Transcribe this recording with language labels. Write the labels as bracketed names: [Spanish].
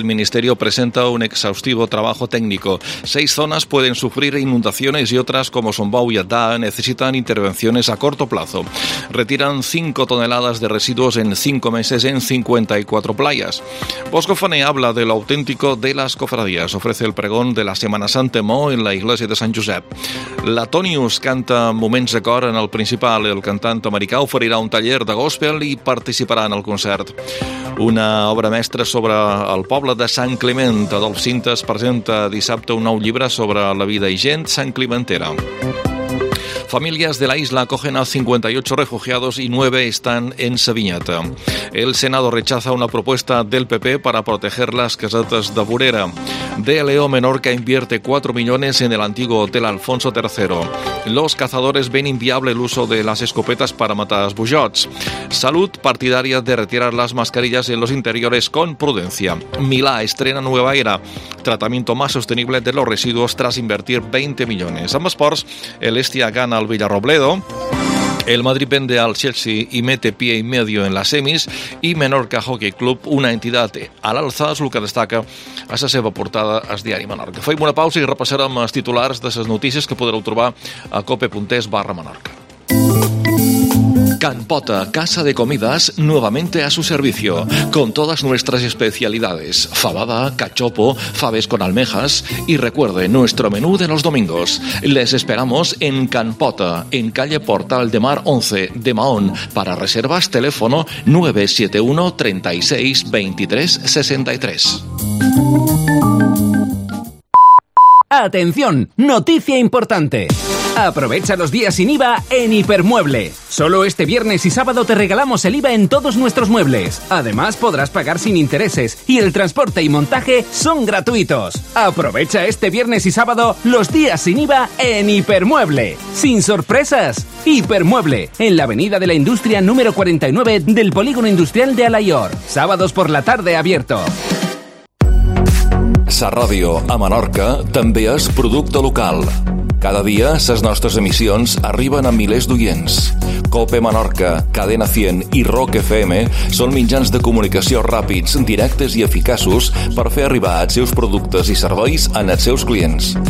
[Spanish] El ministerio presenta un exhaustivo trabajo técnico. 6 zonas pueden sufrir inundaciones y otras, como Sombau y Adá, necesitan intervenciones a corto plazo. Retiran 5 toneladas de residuos en 5 meses en 54 playas. Bosco Fané habla de lo auténtico de las cofradías. Ofrece el pregón de la Semana Santa Mó en la iglesia de San Josep. Latonius canta moments de cor en el principal. [Catalan] El cantant americà oferirà un taller de gospel i participarà en el concert. Una obra mestra sobre el poble de Sant Climent. Adolf Cintes presenta dissabte un nou llibre sobre la vida i gent santclimentera. [Spanish] Famílies de la isla acogen a 58 refugiados [Catalan] i 9 estan [Spanish] en Sabineta. El Senado rechaza una propuesta del PP para proteger las casetas de Burera. DLO Menorca invierte 4 millones en el antiguo hotel Alfonso III. Los cazadores ven inviable el uso de las escopetas para matar bujots. Salud partidaria de retirar las mascarillas en los interiores con prudencia. Milà estrena nueva era, tratamiento más sostenible de los residuos tras invertir 20 millones. Ambas sports, el Estia gana al Villarrobledo, el Madrid vende al Chelsea y mete pie y medio en las semis, y Menorca Hockey Club, una entidad al alza, es lo que destaca a esa seva portada al Diari Menorca. [Catalan] Fem una pausa y repasarem els titulars de les notícies que podreu trobar a cope.es/Menorca. [Spanish] Can Pota, casa de comidas, nuevamente a su servicio, con todas nuestras especialidades, fabada, cachopo, faves con almejas, y recuerde nuestro menú de los domingos. Les esperamos en Can Pota, en calle Portal de Mar 11, de Mahón. Para reservas, teléfono 971-36-2363. ¡Atención! ¡Noticia importante! Aprovecha los días sin IVA en Hipermueble. Solo este viernes y sábado te regalamos el IVA en todos nuestros muebles. Además, podrás pagar sin intereses y el transporte y montaje son gratuitos. Aprovecha este viernes y sábado los días sin IVA en Hipermueble. ¡Sin sorpresas! Hipermueble, en la Avenida de la Industria número 49 del Polígono Industrial de Alaior. Sábados por la tarde abierto. [Catalan] Sa Ràdio a Menorca també és producte local. Cada dia les nostres emissions arriben a milers d'oients. COPE Menorca, Cadena 100 i Rock FM són mitjans de comunicació ràpids, directes i eficaços per fer arribar els seus productes i serveis en els seus clients.